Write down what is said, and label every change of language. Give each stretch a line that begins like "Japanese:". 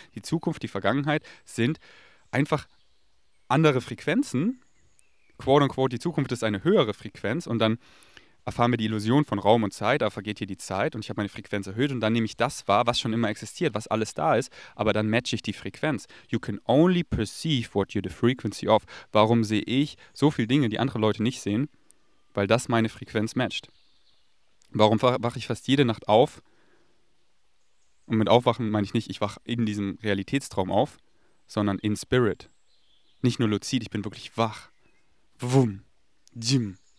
German: Die Zukunft, die Vergangenheit sind einfach andere Frequenzen. Quote und quote, die Zukunft ist eine höhere Frequenz. Und dann erfahren wir die Illusion von Raum und Zeit. Da vergeht hier die Zeit und ich habe meine Frequenz erhöht. Und dann nehme ich das wahr, was schon immer existiert, was alles da ist. Aber dann matche ich die Frequenz.
English: You can only perceive what you're the frequency of.
German: Warum sehe ich so viele Dinge, die andere Leute nicht sehen? Weil das meine Frequenz matcht. Warum wache ich fast jede Nacht auf? Und mit Aufwachen meine ich nicht, ich wache in diesem Realitätstraum auf, sondern in Spirit. Nicht nur luzid, ich bin wirklich wach. Wumm. Jim.